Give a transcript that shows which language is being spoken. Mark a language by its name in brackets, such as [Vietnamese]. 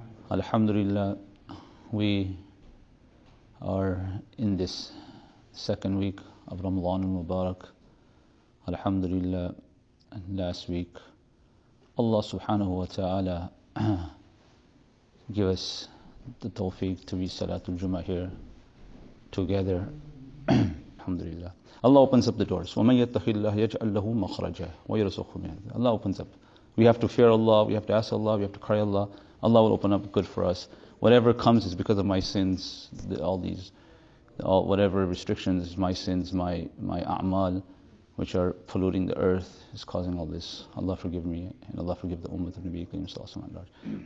[English] Alhamdulillah, we are in this second week of Ramadan al-Mubarak. Alhamdulillah, and last week Allah subhanahu wa ta'ala give us the tawfiq to be Salatul Jummah here together. Alhamdulillah. Allah opens up the doors. [Arabic] وَمَنْ يَتَّخِ اللَّهِ يَجْعَلْ لَهُ مَخْرَجَهُ وَيَرْزُقْهُ مِنْ حَيْثُ لَا يَحْتَسِبُ. [English] Allah opens up. We have to fear Allah, we have to ask Allah, we have to cry Allah. Allah will open up good for us. Whatever comes is because of my sins, whatever restrictions, my sins, my a'mal, which are polluting the earth, is causing all this. Allah forgive me, and Allah forgive the ummah of Nabi Kareem sallallahu alaihi wasallam.